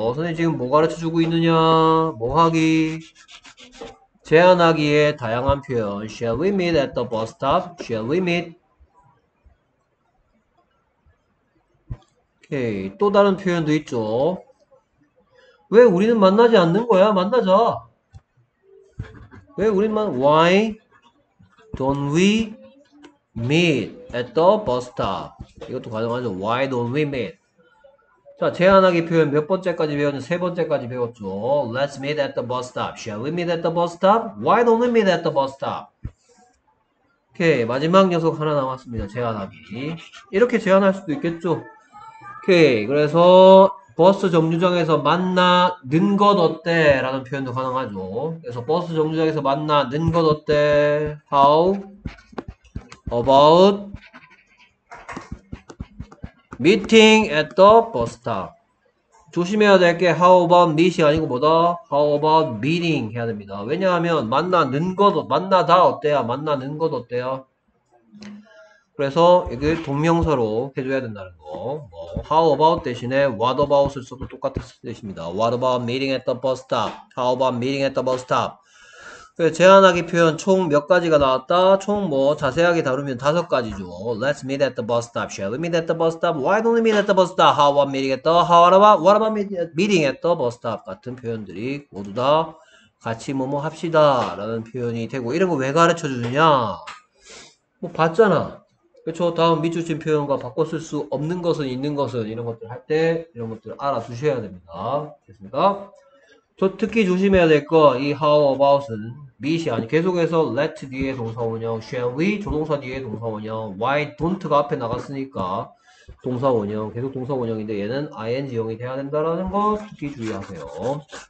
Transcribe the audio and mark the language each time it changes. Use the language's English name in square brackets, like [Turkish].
[Korean] 선생님 지금 뭐 가르쳐주고 있느냐? 뭐 하기? 제안하기에 다양한 표현. [English] Shall we meet at the bus stop? Shall we meet? [Korean] 오케이. 또 다른 표현도 있죠. 왜 우리는 만나지 않는 거야? 만나자. 왜 우리만, [English] why don't we meet at the bus stop? [Korean] 이것도 가능하죠. [English] Why don't we meet? [Korean] 자, 제안하기 표현 몇 번째까지 배웠는지 세 번째까지 배웠죠. [English] Let's meet at the bus stop. Shall we meet at the bus stop? Why don't we meet at the bus stop? [Korean] 오케이, 마지막 녀석 하나 남았습니다. 제안하기. 이렇게 제안할 수도 있겠죠. 오케이, 그래서 버스 정류장에서 만나는 것 어때? 라는 표현도 가능하죠. 그래서 버스 정류장에서 만나는 것 어때? [English] How about Meeting at the bus stop. [Korean] 조심해야 될게 how about meet이 아니고 뭐다? [English] How about meeting [Korean] 해야 됩니다. 왜냐하면 만나다 어때야? 만나는 것 어때야? 그래서 이게 동명사로 해줘야 된다는 거. 뭐, how about 대신에 what about을 써도 똑같을 수 있습니다. [English] What about meeting at the bus stop? How about meeting at the bus stop? [Korean] 제안하기 표현 총몇 가지가 나왔다? 총뭐 자세하게 다루면 다섯 가지죠. [English] Let's meet at the bus stop. Shall we meet at the bus stop? Why don't we meet at the bus stop? How about meeting at the? How about what about meeting at the bus stop? [Korean] 같은 표현들이 모두 다 같이 뭐뭐 합시다 라는 표현이 되고, 이런 거 왜 가르쳐 주느냐? 뭐 봤잖아. 그쵸? 다음 밑줄친 표현과 바꿔 쓸 수 없는 것은 있는 것은, 이런 것들 할 때 이런 것들 알아두셔야 됩니다. 됐습니까? 저 특히 조심해야 될 거, 이 how about은 meet이 아니, 계속해서 let 뒤에 동사 원형, shall we 조동사 뒤에 동사 원형, why don't가 앞에 나갔으니까 동사 원형, 계속 동사 원형인데 얘는 ing형이 돼야 된다라는 거 특히 주의하세요.